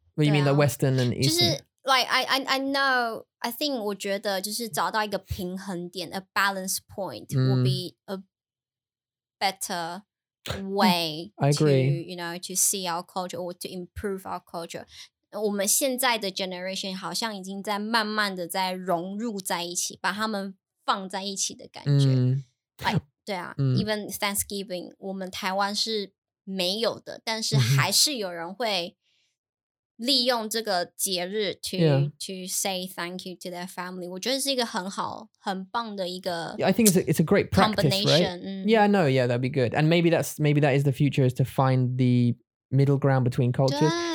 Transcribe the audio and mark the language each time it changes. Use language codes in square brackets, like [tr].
[en] what do you mean, the Western and Eastern? Like, I know, I think [zh] 我觉得就是找到一个平衡点, [en] a balance point will be a better way I agree. You know, to see our culture or to improve our culture. [zh] 我们现在的 generation 好像已经在慢慢的在融入在一起, 把他们放在一起的感觉. Like, 对啊, [en] even Thanksgiving, [zh] 我们台湾是没有的, 但是还是有人会 利用这个节日 [en] to say thank you to their family. [zh] 我觉得是一个很好, 很棒的一个 [en] I think it's a great practice, right? Yeah, I know. Yeah, that'd be good. And maybe that is the future, is to find the middle ground between cultures.